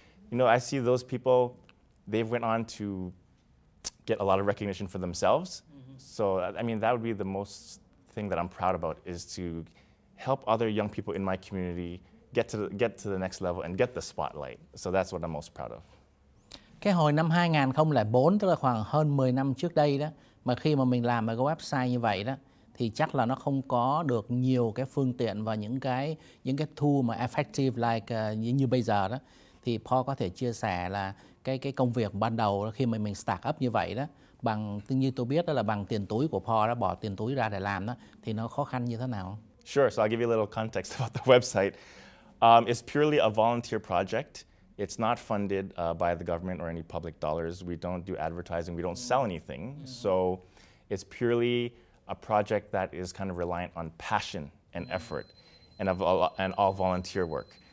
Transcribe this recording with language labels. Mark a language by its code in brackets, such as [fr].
[en] You know, I see those people, they've went on to get a lot of recognition for themselves. Mm-hmm. So, I mean, that would be the most thing that I'm proud about, is to help other young people in my community get to the next level and get the spotlight. So that's what I'm most proud of. [vi] Cái hồi năm 2004, tức là khoảng hơn 10 năm trước đây đó, mà khi mà mình làm ở cái website như vậy đó, thì chắc là nó không có được nhiều cái phương tiện và những cái tool mà effective like như bây giờ đó. Thì Paul có thể chia sẻ là cái công việc ban đầu đó, khi mà mình start up như vậy đó, bằng như tôi biết đó là bằng tiền túi của Paul đó, bỏ tiền túi ra để làm đó, thì nó khó khăn như thế nào? [en] Sure, so I'll give you a little context about the website. It's purely a volunteer project. It's not funded by the government or any public dollars. We don't do advertising, we don't sell anything. So it's purely a project that is kind of reliant on passion and effort and all volunteer work.